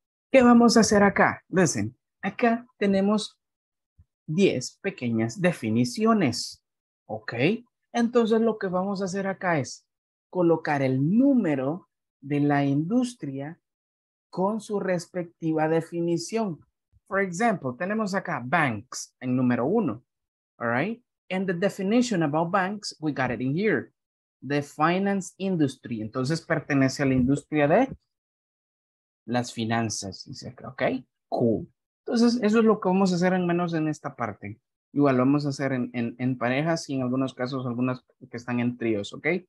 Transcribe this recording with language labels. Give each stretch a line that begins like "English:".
Spanish: ¿Qué vamos a hacer acá?
English: Listen,
Spanish: acá tenemos 10 pequeñas definiciones, ¿ok? Entonces, lo que vamos a hacer acá es colocar el número de la industria con su respectiva definición.
English: For example,
Spanish: tenemos acá banks en número uno,
English: all right? And the definition about banks, we got it in here. The finance industry.
Spanish: Entonces, pertenece a la industria de las finanzas, dice, ¿ok?
English: Cool.
Spanish: Entonces, eso es lo que vamos a hacer en menos en esta parte. Igual lo vamos a hacer en parejas y en algunos casos, algunas que están en tríos, ¿ok?